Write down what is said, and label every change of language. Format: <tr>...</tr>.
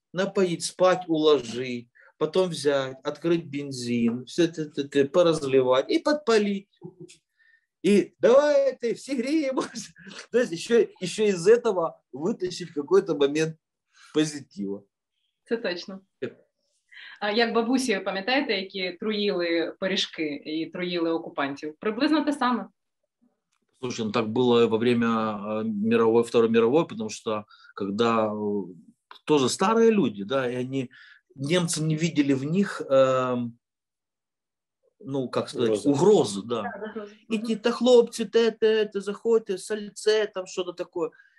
<ru>Напоить, спать, уложить, потом взять, открыть бензин, все это поразливать и подпалить. И давай ты все гребешь. То есть еще из этого вытащить какой-то момент позитива.</ru> <uk>Це точно. А як бабусі, пам'ятаєте, які труїли пиріжки і труїли окупантів? Приблизно те саме.</uk> <ru>Слушай, ну так було во время Второй мировой, потому что когда тоже старые люди, да, и они немцы не видели в них ну, как сказать, угрозу, да. Идите-то, хлопцы, ты заходите, сальце, там что-то такое.</ru>